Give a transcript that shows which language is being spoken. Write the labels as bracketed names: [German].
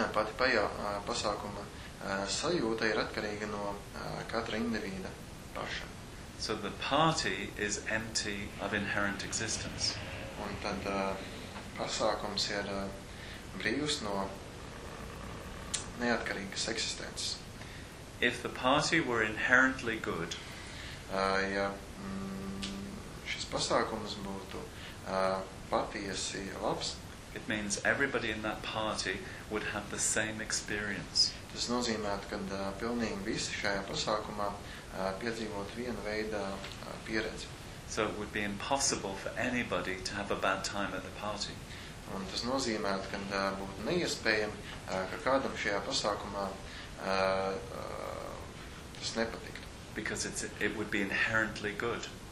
[Latvian] Pasākuma sajūta ir atkarīga no katra individa paša. [English] So the party is empty of inherent existence. [Latvian] Un tad pasākums ir brīvs no neatkarīgas eksistences. [English] If the party were inherently good, [Latvian] šis pasākums būtu patiesi labs, [English] it means everybody in that party would have the same experience. [Latvian] Tas nozīmē, ka pilnīgi visi šajā pasākumā piedzīvot vienu veidu pieredzi. [English] So it would be impossible for anybody to have a bad time at the party. [Latvian] Un tas nozīmē, ka būtu neiespējami, ka kādam šajā pasākumā tas nepatiktu. [English] Because it would be inherently good.